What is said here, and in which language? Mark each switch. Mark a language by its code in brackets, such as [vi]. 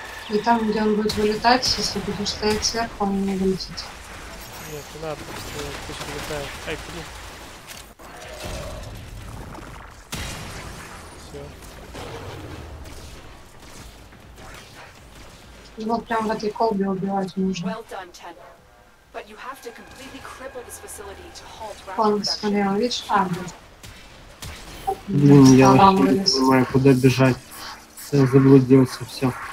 [ru] И там, где он будет вылетать, если будешь стоять сверху, он не вылетит. Нет, не надо, пусть вылетает. Ай, блин. Все. Его прям в этой колбе убивать нужно. [en] But you have to completely cripple this facility to halt rapid production. [ru] Блин, я вообще не понимаю, куда бежать. Я заблудился, все.